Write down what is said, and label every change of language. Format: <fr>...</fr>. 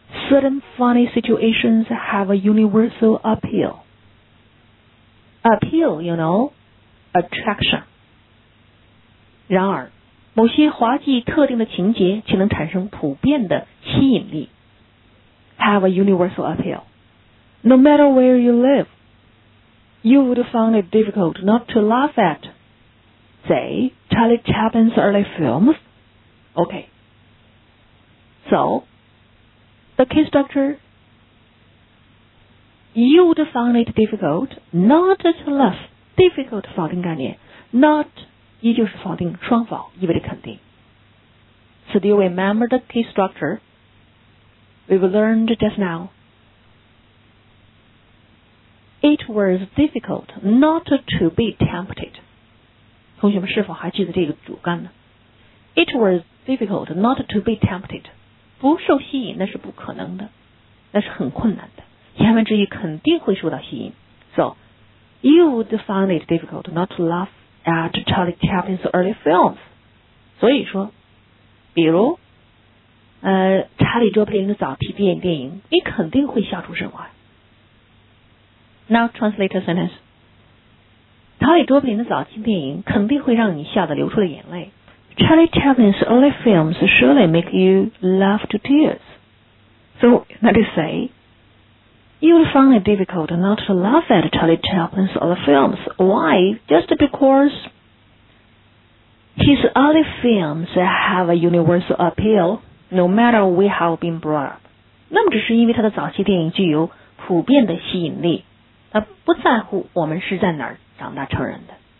<en>certain funny situations have a universal appeal. Appeal, you know, attraction.</en> <zh>然而某些滑稽特定的情节却能产生普遍的吸引力。</zh> <en>Have a universal appeal. No matter where you live, you would find it difficult not to laugh at, say, Charlie Chaplin's early films. Okay. So, the key structure, you would find it difficult not to laugh.</en> <zh>Difficult 否定概念 not. 依旧是否定，双否意味着肯定。</zh> <en>So do you remember the key structure we've learned just now? It was difficult not to be tempted.</en> <zh>同学们是否还记得这个主干呢？</zh> <en>It was difficult not to be tempted.</en> <zh>不受吸引那是不可能的，那是很困难的。言外之意肯定会受到吸引。</zh> <en>So you would find it difficult not to laughat Charlie Chaplin's early films.</en> <zh>所以说比如查理卓别林的早期电影你肯定会笑出声来。</zh> <en>Now translate a sentence.</en> <zh>查理卓别林的早期电影肯定会让你笑得流出了眼泪。</zh> <en>Charlie Chaplin's early films surely make you laugh to tears. So let us say You would find it difficult not to laugh at Charlie Chaplin's other films. Why? Just because his other films have a universal appeal, no matter we have been brought up.</en> <zh>那么只是因为他的早期电影具有普遍的吸引力，他不在乎我们是在哪儿长大成人的。</zh>